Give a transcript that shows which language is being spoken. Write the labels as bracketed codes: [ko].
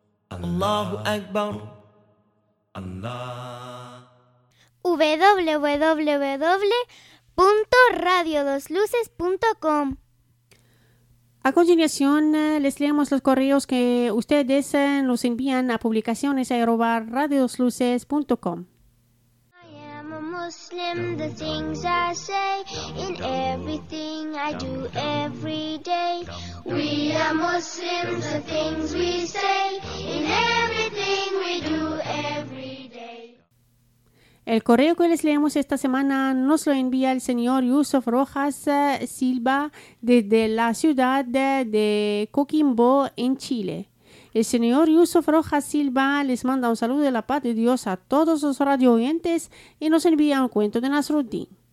[ar] Allahu Akbar. Allah. [es] www.radio2luces.com. A continuación les leemos los correos que ustedes nos envían a publicaciones@radio2luces.com. [en] I am a Muslim, the things I say in everything I do every day. We are Muslim, the things we say in everything we do every day. [es] El correo que les leemos esta semana nos lo envía el señor Yusuf Rojas Silva desde la ciudad de Coquimbo, en Chile. El señor Yusuf Rojas Silva les manda un saludo de la paz de Dios a todos los radio oyentes y nos envía un cuento de Nasruddin.